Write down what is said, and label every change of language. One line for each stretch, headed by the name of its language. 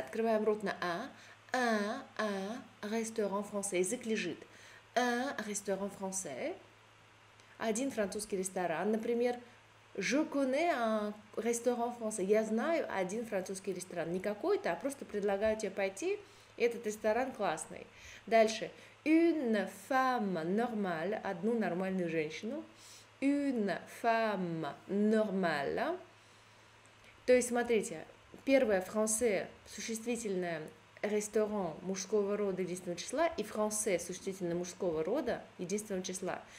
Russian: Открываем рот на un.
French: Un restaurant français.
Russian: Язык лежит.
French: Un restaurant français.
Russian: Один французский ресторан. Например,
French: «Je connais un restaurant français».
Russian: Я знаю один французский ресторан. Не какой-то, а просто предлагаю тебе пойти. Этот ресторан классный. Дальше.
French: «Une femme normale».
Russian: Одну нормальную женщину.
French: «Une femme normale».
Russian: То есть, смотрите, первое «français» существительное «restaurant» мужского рода единственного числа и «français» существительное мужского рода единственного числа.